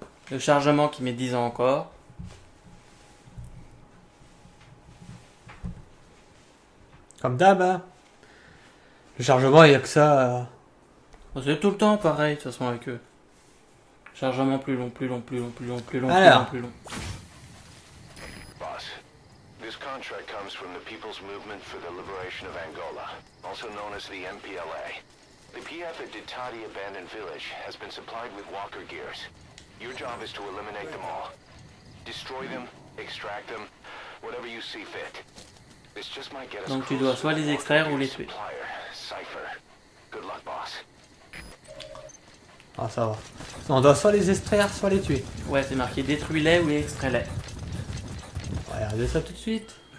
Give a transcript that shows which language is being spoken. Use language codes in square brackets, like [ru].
[fr] Le chargement qui met 10 ans encore. Comme d'hab hein. Le chargement il y a que ça. C'est tout le temps pareil de toute façon avec eux. Chargement plus long, plus long, plus long, plus long, plus long, plus long, plus long. [en] Boss, this contract comes from the People's Movement for the Liberation of Angola, also known as the MPLA. The PF at Ditati Abandoned Village has been supplied with Walker gears. Your job is to eliminate them all. Destroy them, extract them, whatever you see fit. This just might get us. [fr] Donc tu dois soit les extraire ou les tuer. [en] Cipher. Good luck, boss. [fr] Ah ça va. On doit soit les extraire, soit les tuer. Ouais, c'est marqué détruis-les ou extrais-les. On va regarder ça tout de suite.